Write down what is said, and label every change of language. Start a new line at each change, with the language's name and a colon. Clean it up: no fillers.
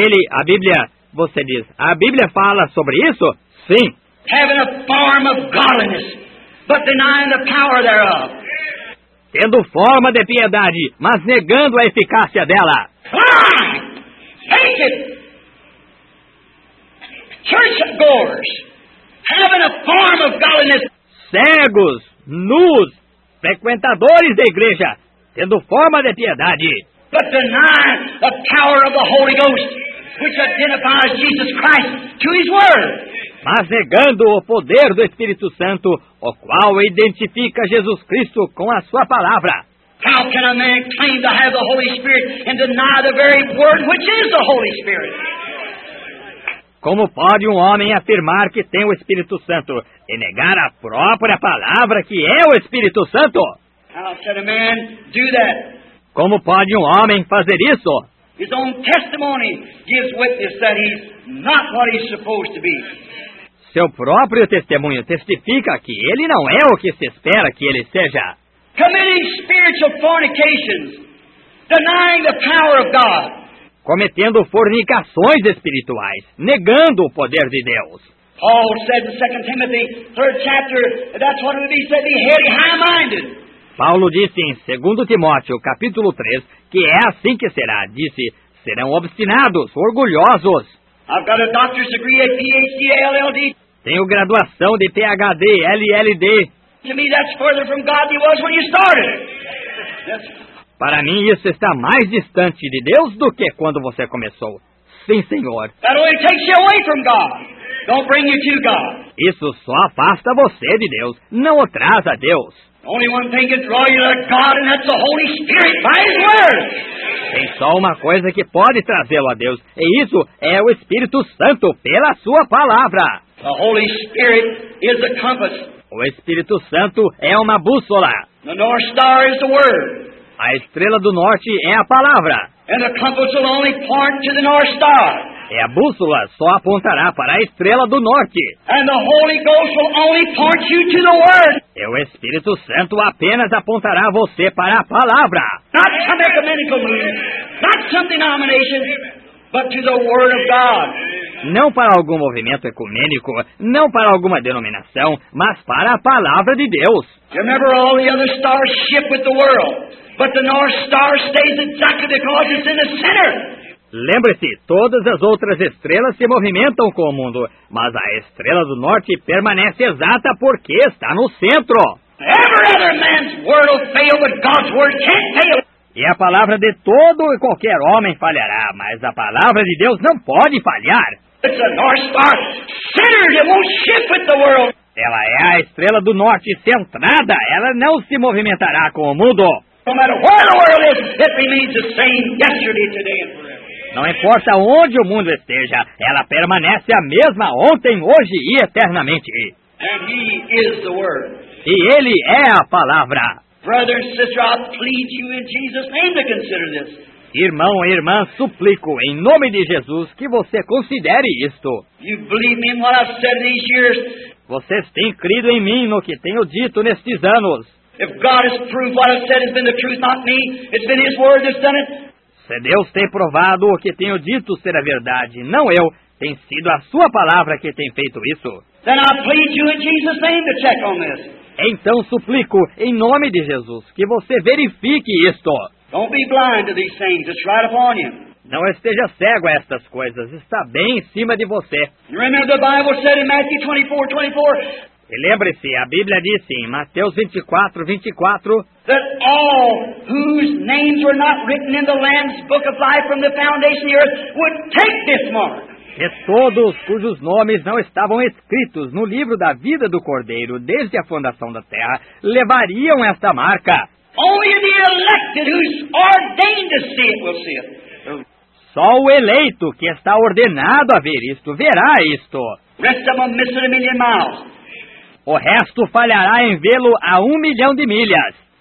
Portuguese: A Bíblia, você diz, a Bíblia fala sobre isso? Sim.
English: Having a form of godliness, but denying the power thereof.
Portuguese: Tendo forma de piedade, mas negando a eficácia dela.
English: Fake it. Churchgoers, having a form of godliness.
Portuguese: Cegos, nus, frequentadores da igreja, tendo forma de piedade.
English: But denying the power of the Holy Ghost, which identifies Jesus Christ to his word.
Portuguese: mas negando o poder do Espírito Santo, o qual identifica Jesus Cristo com a sua palavra.
English: How can a man claim to have the Holy Spirit and deny the very word which is the Holy Spirit?
Portuguese: Como pode um homem afirmar que tem o Espírito Santo e negar a própria palavra que é o Espírito Santo?
English: How can a man do that?
Portuguese: Como pode um homem fazer isso?
English: His own testimony gives witness that he's not what he's supposed to be.
Portuguese: Seu próprio testemunho testifica que ele não é o que se espera que ele seja.
English: Committing spiritual fornications, denying the power of God.
Portuguese: Cometendo fornicações espirituais, negando o poder de Deus.
English: Paul said in 2 Timothy, 3rd chapter, that's what it means to be heady, high-minded.
Portuguese: Paulo disse em 2 Timóteo, capítulo 3, que é assim que será. Disse, serão obstinados, orgulhosos.
English: I've got a doctor's degree, a PhD, a LLD.
Portuguese: Tenho graduação de PhD, LLD.
English: To me, that's further from God than it was when you started. Yes.
Portuguese: Para mim, isso está mais distante de Deus do que quando você começou. Sim, Senhor.
English: That only takes you away from God. Don't bring you to God.
Portuguese: Isso só afasta você de Deus, não o traz a Deus.
English: Only one thing can draw you to God, and that's the Holy Spirit by His Word.
Portuguese: Tem só uma coisa que pode trazê-lo a Deus, e isso é o Espírito Santo pela sua palavra.
English: The Holy Spirit is a compass.
Portuguese: O Espírito Santo é uma bússola.
English: The North Star is the Word.
Portuguese: A estrela do norte é a palavra.
English: And the compass will only point to the North Star.
Portuguese: E a bússola só apontará para a estrela do norte.
English: And the Holy Ghost will only point you to the Word.
Portuguese: E o Espírito Santo apenas apontará você para a palavra.
English: Not some ecumenical movement, not some denomination, but to the Word of God.
Portuguese: Não para algum movimento ecumênico, não para alguma denominação, mas para a palavra de Deus.
English: You remember all the other stars ship with the world, but the North Star stays exactly because it's in the center.
Portuguese: Lembre-se, todas as outras estrelas se movimentam com o mundo, mas a estrela do norte permanece exata porque está no centro.
English: Every other man's word will fail, but God's word can't fail.
Portuguese: E a palavra de todo e qualquer homem falhará, mas a palavra de Deus não pode falhar.
English: It's a North Star centered, it won't shift with the world.
Portuguese: Ela é a estrela do norte centrada, ela não se movimentará com o mundo.
English: No matter where the world is, it remains the same yesterday, today, and forever.
Portuguese: Não importa onde o mundo esteja, ela permanece a mesma ontem, hoje e eternamente.
English: And he is the word.
Portuguese: E ele é a palavra.
English: Brother and sister, I plead you in Jesus' name to consider this.
Portuguese: Irmão e irmã, suplico em nome de Jesus que você considere isto.
English: You believe me in what I've said these years.
Portuguese: Vocês têm crido em mim no que tenho dito nestes anos.
English: If God has proved what I've said has been the truth, not me, it's been his word that's done it.
Portuguese: Se Deus tem provado o que tenho dito ser a verdade, não eu, tem sido a sua palavra que tem feito isso.
English: Then I plead you in Jesus' name to check on this.
Portuguese: Então suplico, em nome de Jesus, que você verifique isto.
English: Don't be blind to these things, it's right upon you.
Portuguese: Não esteja cego a estas coisas, está bem em cima de você.
English: Remember the Bible said in Matthew 24, 24.
Portuguese: E lembre-se, a Bíblia disse em Mateus 24, 24,
English: that all whose names were not written in the Lamb's book of life from the foundation of the earth would take this mark.
Portuguese: Que todos cujos nomes não estavam escritos no livro da vida do Cordeiro desde a fundação da terra levariam esta marca.
English: Only the elected who's ordained to see it will see it.
Portuguese: Só o eleito que está ordenado a ver isto verá isto.
English: Rest of them miss it a million miles.
Portuguese: O resto falhará em vê-lo a 1 milhão de milhas.